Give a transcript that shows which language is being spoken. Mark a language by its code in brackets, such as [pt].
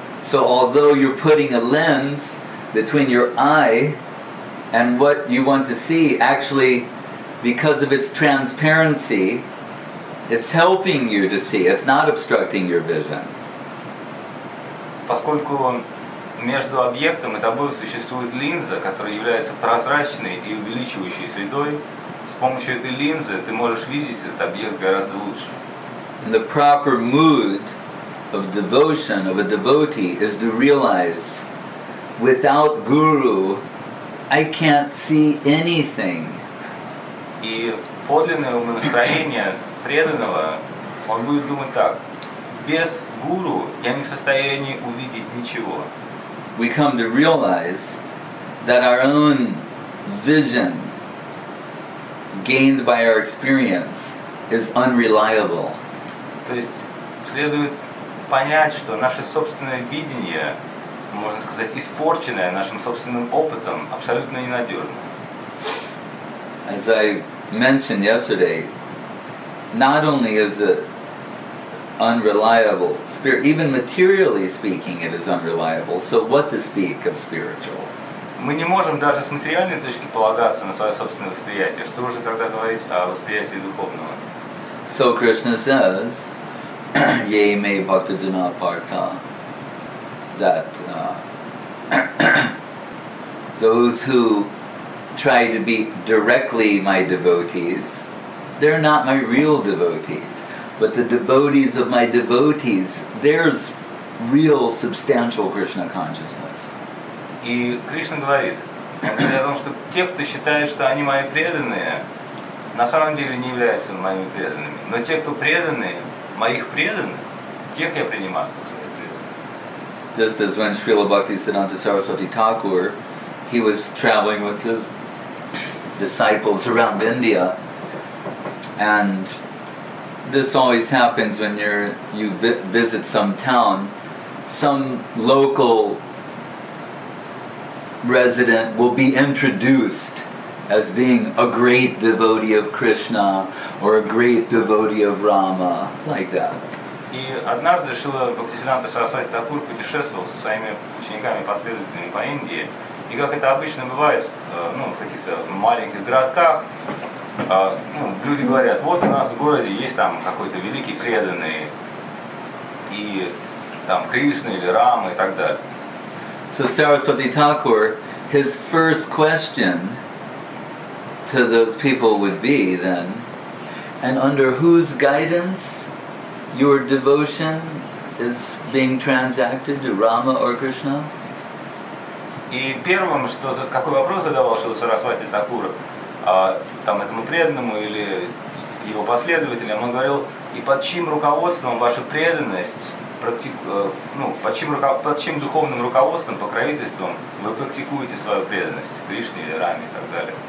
[en] So although you're putting a lens between your eye and what you want to see, actually, because of its transparency, it's helping you to see. It's not obstructing your vision. [ru] Поскольку между объектом и тобой существует линза, которая является прозрачной и увеличивающей средой, с помощью этой линзы ты можешь видеть этот объект гораздо лучше. [en] And the proper mood of devotion of a devotee is to realize, without guru, I can't see anything. [ru] И подлинное умонастроение преданного, он будет думать так: без гуру я не в состоянии увидеть ничего. [en] We come to realize that our own vision gained by our experience is unreliable. [ru] То есть следует понять, что наше собственное видение, можно сказать, испорченное нашим собственным опытом, абсолютно ненадежно. [en] As I mentioned yesterday, not only is it unreliable, spirit, even materially speaking, it is unreliable. So what to speak of spiritual? [ru] Мы не можем даже с материальной точки полагаться на свое собственное восприятие. Что уже тогда говорить о восприятии духовного? [en] So Krishna says, [sa] "Ye me bhakti jana partha," [en] that those who try to be directly my devotees, they're not my real devotees, but the devotees of my devotees, there's real substantial Krishna consciousness. [ru] И Кришна говорит, говоря о том, что те, кто считает, что они мои преданные, на самом деле не являются моими преданными. Но те, кто преданные, моих преданных, тех я принимаю как своих преданных. [en] Just as when Srila Bhakti Siddhanta Saraswati Thakur, he was traveling with his disciples around India. And this always happens when you visit some town. Some local resident will be introduced as being a great devotee of Krishna or a great devotee of Rama, like that. [ru] И однажды Шрила Бхактисиддханта Сарасвати Такур путешествовал со своими учениками последовательными по Индии. И как это обычно бывает, ну, в каких-то маленьких городках. Ну, люди говорят, вот у нас в городе есть там какой-то великий преданный, и там Кришна или Рама и так далее. [en] So Saraswati Thakur, his first question to those people would be then, and under whose guidance your devotion is being transacted to Rama or Krishna? [ru] И первым, какой вопрос задавал Шрила Сарасвати Такур, там этому преданному или его последователям, он говорил, и под чьим руководством ваша преданность, под чьим духовным руководством, покровительством вы практикуете свою преданность Кришне или Раме и так далее.